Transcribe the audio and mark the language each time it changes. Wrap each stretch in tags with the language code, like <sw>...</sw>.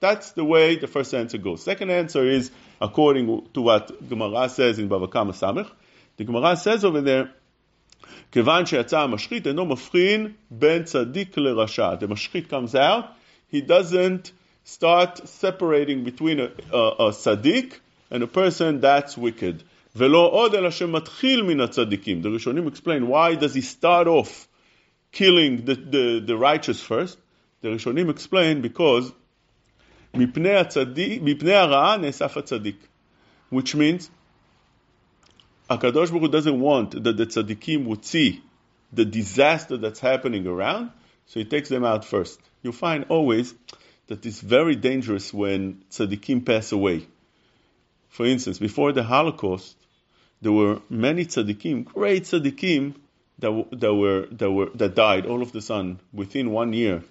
<en>That's the way the first answer goes. Second answer is, according to what Gemara says in Bava Kama Samech, the Gemara says over there,</en> <he>כיוון שיצא המשחית אינו מבחין בין צדיק לרשע.</he> <en>The משחית comes out, he doesn't start separating between a צדיק and a person that's wicked.</en> <he>ולא עוד אלא שמתחיל מן הצדיקים.</he> <en>The ראשונים explain why does he start off killing the righteous first. The ראשונים explain because</en> <he>מפני הרעה נאסף הצדיק.</he> <en>Which means, HaKadosh Baruch Hu doesn't want that the tzaddikim would see the disaster that's happening around, so he takes them out first. You find always that it's very dangerous when tzaddikim pass away. For instance, before the Holocaust, there were many tzaddikim, great tzaddikim, that died all of the sun within 1 year.</en>